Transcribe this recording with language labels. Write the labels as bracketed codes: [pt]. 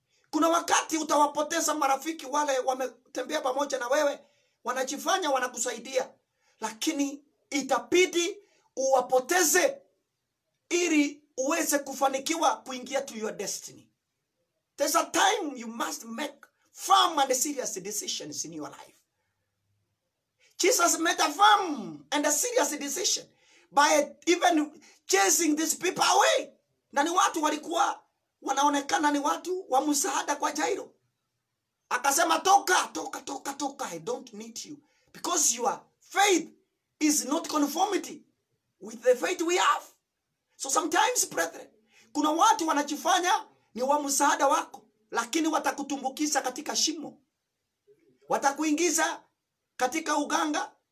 [sw] Kuna wakati utawapoteza marafiki wale wametembea pamoja na wewe, wanajifanya wanakusaidia, lakini itapidi uwapoteze ili uweze kufanikiwa kuingia [en] to your destiny. There's a time you must make firm and serious decisions in your life. Jesus made a firm and a serious decision by even chasing these people away. [sw] Na ni watu walikuwa wanaonekana ni watu wa msaada kwa Jairo. Akasema toka, toka, toka, toka. [en] I don't need you. Because your faith is not conformity with the faith we have. So sometimes, brethren, [sw] kuna watu wanachifanya ni wa msaada wako. Lakini watakutumbukiza katika shimo. Watakuingiza katika uganga.